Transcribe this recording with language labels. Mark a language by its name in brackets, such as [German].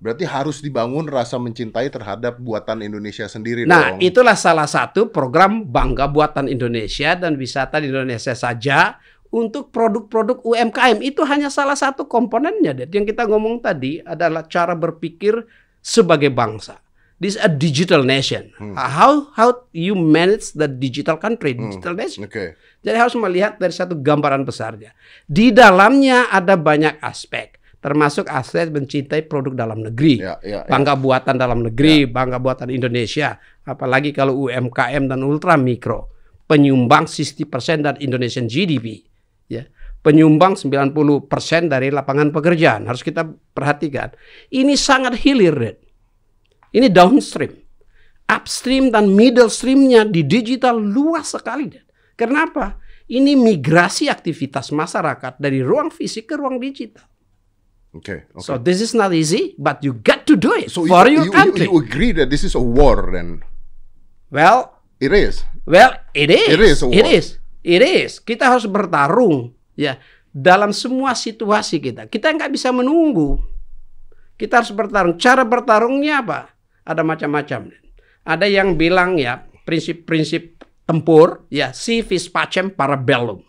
[Indonesian] Berarti harus dibangun rasa mencintai terhadap buatan Indonesia sendiri. Nah, dong. Itulah salah satu program Bangga Buatan Indonesia dan Wisata di Indonesia saja untuk produk-produk UMKM. Itu hanya salah satu komponennya. Dan. Yang kita ngomong tadi adalah cara berpikir sebagai bangsa. [English] This a digital nation. How you manage the digital country, digital nation. Okay. [Indonesian] Jadi harus melihat dari satu gambaran besarnya. Di dalamnya ada banyak aspek, termasuk aspek mencintai produk dalam negeri, bangga buatan dalam negeri, bangga buatan Indonesia. Apalagi kalau UMKM dan ultra mikro, penyumbang 60% dari Indonesian GDP, ya, penyumbang 90% dari lapangan pekerjaan. Harus kita perhatikan. Ini sangat hilir. Ini downstream, upstream dan middle streamnya di digital luas sekali. Kenapa? Ini migrasi aktivitas masyarakat dari ruang fisik ke ruang digital. [English] Okay. So this is not easy, but you got to do it for your country. You agree that this is a war then? Well, It is. Well, it is. It is. It is. It is. [Indonesian] Kita harus bertarung ya dalam semua situasi kita. Kita nggak bisa menunggu. Kita harus bertarung. Cara bertarungnya apa? Ada macam-macam. Ada yang bilang ya prinsip-prinsip tempur ya [Latin] si vis pacem parabellum.